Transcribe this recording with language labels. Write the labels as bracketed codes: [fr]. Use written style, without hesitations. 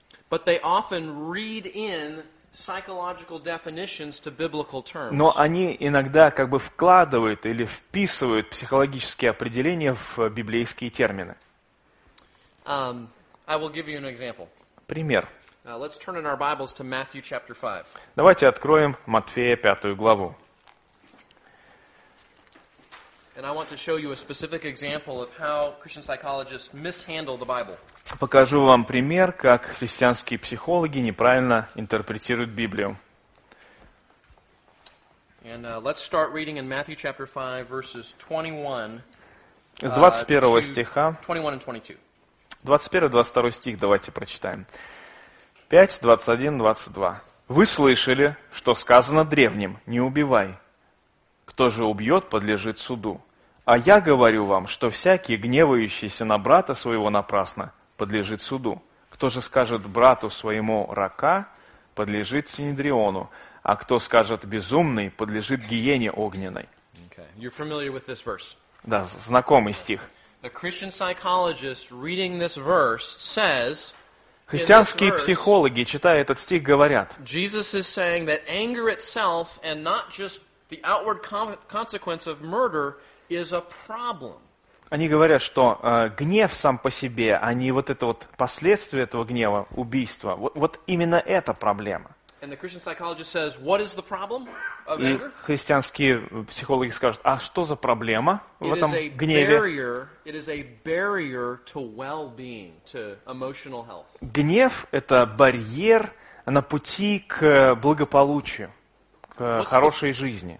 [en] But they often read in psychological definitions to biblical terms. [ru] Но они иногда как бы вкладывают или вписывают психологические определения в библейские термины. [en] I will give you an example. [ru] Пример. [en] Let's turn in our Bibles to Matthew chapter 5. [ru] Давайте откроем Матфея 5 главу. [en] And I want to show you a specific example of how Christian psychologists mishandle the Bible. [ru] Покажу вам пример, как христианские психологи неправильно интерпретируют Библию. [en] And let's start reading in Matthew chapter 5 verses 21. [ru] С 21 стиха. [en] 21 and 22. [ru] 21-22 стих давайте прочитаем. [en] 5:21-22. [ru] Вы слышали, что сказано древним: не убивай. Кто же убьет, подлежит суду. А я говорю вам, что всякий, гневающийся на брата своего напрасно, подлежит суду. Кто же скажет брату своему «рака», подлежит Синедриону, а кто скажет «безумный», подлежит гиене огненной. [en] Okay. You're familiar with this verse. [ru] Да, знакомый стих. [en] A Christian psychologist reading this verse says, [ru] христианские психологи, читая этот стих, говорят, [en] Jesus is saying that anger itself and not just the outward consequence of murder is a problem. [ru] Они говорят, что гнев сам по себе, а не вот это вот последствия этого гнева, убийство, вот именно это проблема. [en] And the Christian psychologist says, what is the problem of anger? [ru] И христианские психологи скажут, а что за проблема в этом гневе? [en] It is a barrier to well-being, to emotional health. [ru] Гнев – это барьер на пути к благополучию, к хорошей жизни.